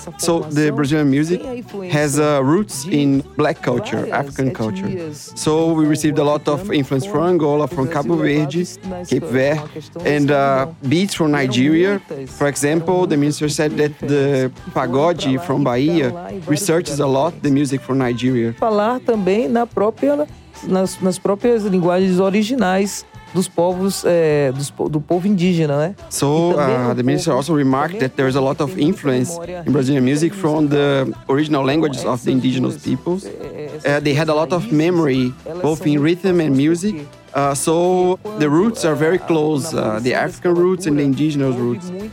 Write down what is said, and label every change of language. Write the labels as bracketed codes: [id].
[en] So the Brazilian music has roots in black culture, African culture. So we received a lot of influence from Angola, from Cabo Verde, Cape Verde, and beats from Nigeria. For example, the minister said that the pagode from Bahia researches a lot the music from Nigeria. [pt] Falar também nas próprias linguagens originais dos povos do povo indígena, né? [en] So the minister also remarked that there is a lot of influence in Brazilian music from the original languages of the indigenous peoples. They had a lot of memory, both in rhythm and music. So the roots are very close, the African roots and the indigenous roots.